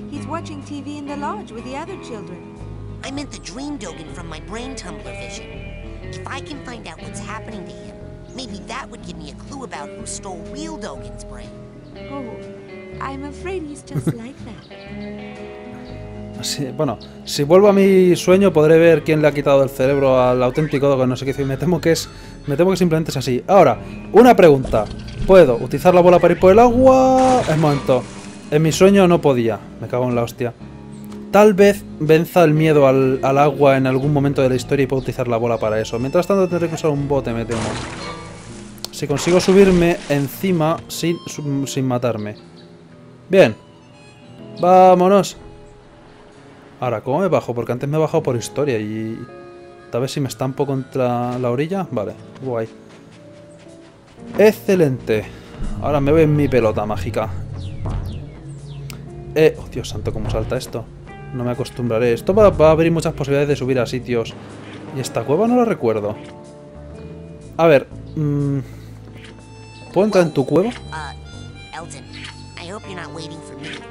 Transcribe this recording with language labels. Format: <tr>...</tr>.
<en>He's watching TV in the lodge with the other children. I meant the dream Dogan from my brain tumbler vision. If I can find out what's happening to him, maybe that would give me a clue about who stole real Dogan's brain. Oh, I'm afraid he's just like that.</en> <es>Sí, bueno, si vuelvo a mi sueño podré ver quién le ha quitado el cerebro al auténtico Dogan, no sé qué decir. Me temo que simplemente es así. Ahora, una pregunta. ¿Puedo utilizar la bola para ir por el agua? Es momento. En mi sueño no podía. Me cago en la hostia. Tal vez venza el miedo al agua en algún momento de la historia y puedo utilizar la bola para eso. Mientras tanto tendré que usar un bote, me temo. Si consigo subirme encima sin matarme. Bien. Vámonos. Ahora, ¿cómo me bajo? Porque antes me he bajado por historia y... tal vez si me estampo contra la orilla. Vale, guay. ¡Excelente! Ahora me voy en mi pelota mágica. ¡Oh, Dios santo! ¿Cómo salta esto? No me acostumbraré. Esto va a abrir muchas posibilidades de subir a sitios. Y esta cueva no la recuerdo. A ver... ¿puedo entrar en tu cueva?</es> <en>Elton, I hope you're not waiting for me.</en>